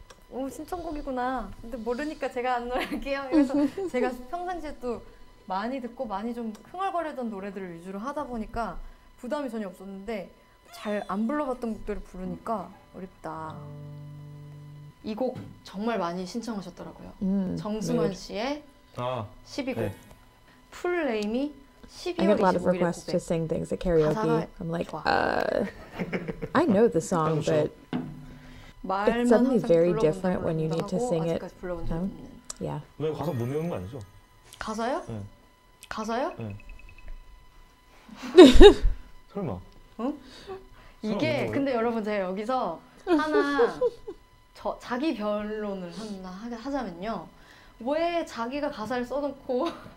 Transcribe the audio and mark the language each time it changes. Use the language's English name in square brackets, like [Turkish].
[Korean] 오 신청곡이구나. 근데 모르니까 제가 안 노래할게요. 그래서 제가 평상시에 또 많이 듣고 많이 좀 흥얼거리던 노래들을 위주로 하다 보니까 부담이 전혀 없었는데 잘 안 불러봤던 곡들을 부르니까 어렵다. 이 곡 정말 많이 신청하셨더라고요. 정승환 씨의 12곡. 풀네임이 [English] I get a lot of requests to sing things at karaoke. I'm like, I know the song, but it's suddenly very different when you need to sing it. Yeah. [Korean] 왜 가사 못 외운 거 아니죠? 가사요? 응. 가사요? 응. 설마. 응? 이게 근데 여러분 제가 여기서 하나 저 자기 변론을 하자면요, 왜 자기가 가사를 써놓고.